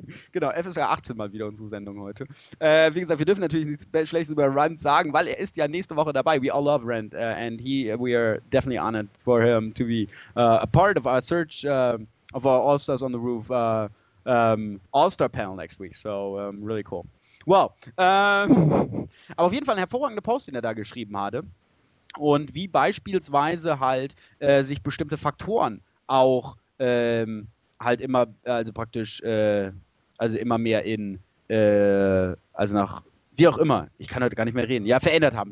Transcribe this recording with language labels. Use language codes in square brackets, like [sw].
[de] Genau, FSR 18 mal wieder unsere Sendung heute. Wie gesagt, wir dürfen natürlich nichts Schlechtes über Rand sagen, weil er ist ja nächste Woche dabei. [en] We all love Rand and we are definitely honored for him to be a part of our search of our All-Stars on the Roof All-Star Panel next week. So, really cool. [de] Well, aber auf jeden Fall ein hervorragender Post, den er da geschrieben hatte. Und wie beispielsweise halt sich bestimmte Faktoren auch halt immer, also praktisch... also immer mehr in, also nach, wie auch immer, ich kann heute gar nicht mehr reden, ja, verändert haben.